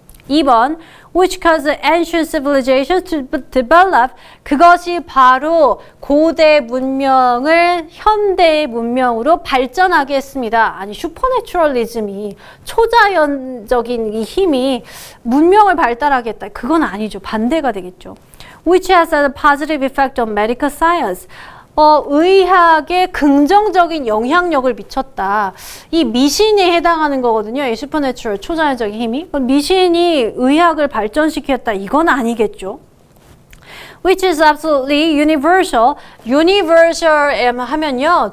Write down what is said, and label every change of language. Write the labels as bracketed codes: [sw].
[ko] 2번, [en] which caused the ancient civilization to develop, [ko] 그것이 바로 고대 문명을 현대의 문명으로 발전하게 했습니다. 아니, 슈퍼내추럴리즘이 초자연적인 이 힘이 문명을 발달하게 했다. 그건 아니죠. 반대가 되겠죠. [en] which has a positive effect on medical science. [ko] 의학에 긍정적인 영향력을 미쳤다. 이 미신에 해당하는 거거든요. 이 슈퍼내추럴 초자연적인 힘이. 미신이 의학을 발전시켰다. 이건 아니겠죠. [en] Which is absolutely universal. [ko] Universal 하면요.